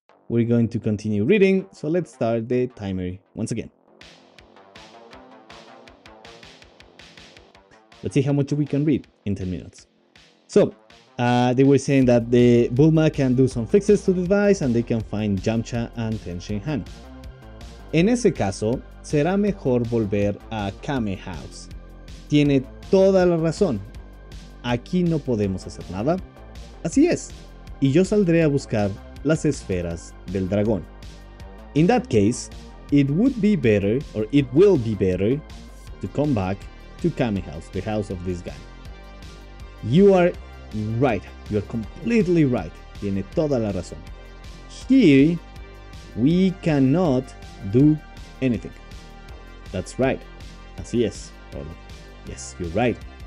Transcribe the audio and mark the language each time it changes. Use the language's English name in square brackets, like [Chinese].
[English] We're going to continue reading, so let's start the timer once again. Let's see how much we can read in 10 minutes. So, they were saying that the Bulma can do some fixes to the device and they can find Yamcha and Tenshinhan. [Spanish] En ese caso, será mejor volver a Kame House. Tiene toda la razón. Aquí no podemos hacer nada. Así es. Y yo saldré a buscar las esferas del dragón. [English] In that case, it will be better to come back to Kame House, the house of this guy. You are right. You are completely right. [Spanish] Tiene toda la razón. [English] Here, we cannot do anything. That's right. [Spanish] Así es. [English] Yes, you're right.